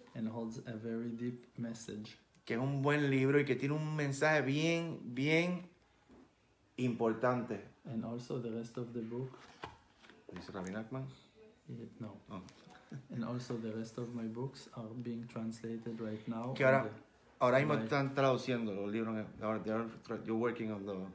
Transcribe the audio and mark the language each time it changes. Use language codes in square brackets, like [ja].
[en] And holds a very deep message. [es] Que es un buen libro y que tiene un mensaje bien, bien importante. [en] And also the rest of the book. Is Rabbi Nachman? Yeah, no. Oh. And also the rest of my books are being translated right now. [es] Que ahora mismo están traduciendo los libros. [en] You're working on the...